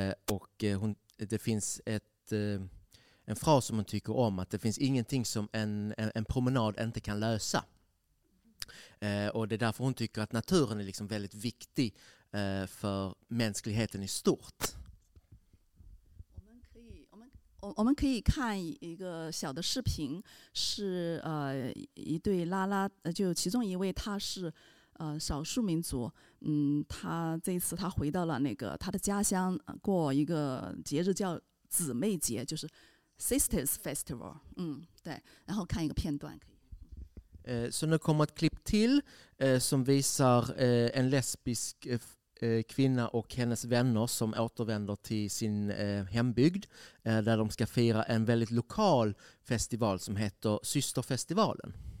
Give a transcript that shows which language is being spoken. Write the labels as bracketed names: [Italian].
[Swedish] Och hon, det finns ett, en fras som hon tycker om, att det finns ingenting som en promenad inte kan lösa. Och det är därför hon tycker att naturen är liksom väldigt viktig för mänskligheten i stort. [Chinese] 我们可以看一个小的视频，是一对拉拉，就其中一位他是少数民族，嗯，他这次他回到了那个他的家乡，过一个节日叫姊妹节，就是 Sisters Festival， 嗯，对，然后看一个片段可以。 [Swedish] Så nu kommer ett klipp till som visar en lesbisk kvinna och hennes vänner som återvänder till sin hembygd där de ska fira en väldigt lokal festival som heter Systerfestivalen.